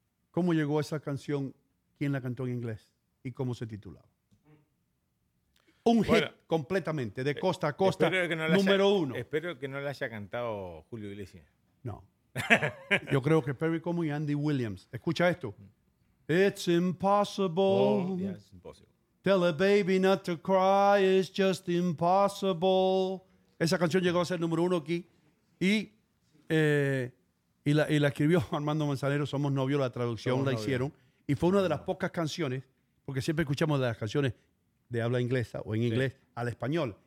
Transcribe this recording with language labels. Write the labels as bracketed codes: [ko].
[es] ¿Cómo llegó esa canción? ¿Quién la cantó en inglés? ¿Y cómo se titulaba? Hit completamente, de costa a costa, número uno. Espero que no la haya cantado Julio Iglesias. No. Yo creo que Perry Como y Andy Williams. Escucha esto. [en] It's impossible. It's impossible. Tell a baby not to cry is just impossible. [es] Esa canción llegó a ser número uno aquí. Y la escribió Armando Manzanero, Somos Novios, la traducción Somos la novio. Hicieron. Y fue una de las pocas canciones, porque siempre escuchamos de las canciones de habla inglesa o en inglés al español.